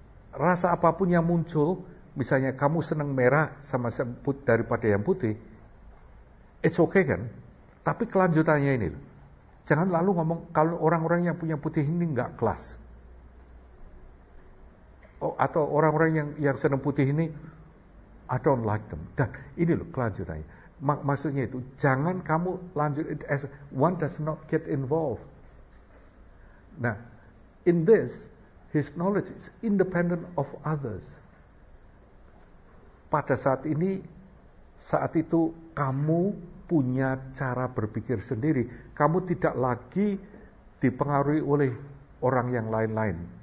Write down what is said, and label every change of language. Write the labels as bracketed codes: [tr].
[id] Rasa apapun yang muncul, misalnya kamu senang merah sama daripada yang putih, [en] it's okay [id] kan? Tapi kelanjutannya ini, jangan lalu ngomong kalau orang-orang yang punya putih ini enggak kelas. Oh, atau orang-orang yang senang putih ini, [en] I don't like them. [id] Dan ini loh kelanjutannya. Maksudnya itu, jangan kamu lanjut, [en] as one does not get involved. Nah, in this, his knowledge is independent of others. [id] Pada saat ini, saat itu kamu punya cara berpikir sendiri. Kamu tidak lagi dipengaruhi oleh orang yang lain-lain.